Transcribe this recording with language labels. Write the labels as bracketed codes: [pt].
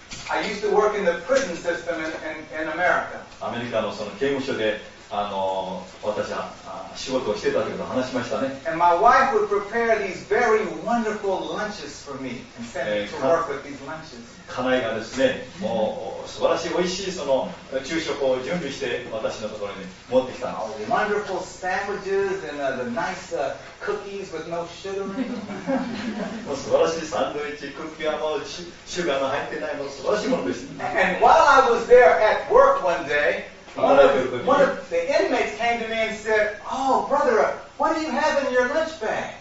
[en] I used to work in the prison system in America. [ja] アメリカのその刑務所で私は仕事をしていたということを話しましたね。 [en] And my wife would prepare these very wonderful lunches for me and send me to work with these lunches. [ja] 家内がですね、もう素晴らしい美味しいその昼食を準備して私のところに持ってきたんです。 [en] All the wonderful sandwiches and the nice cookies with no sugar. [ja] 素晴らしいサンドイッチ、クッキーはもうシュガーの入ってないもの素晴らしいものです。 [en] And while I was there at work one day. One of the inmates came to me and said, Oh, brother, what do you have in your lunch bag?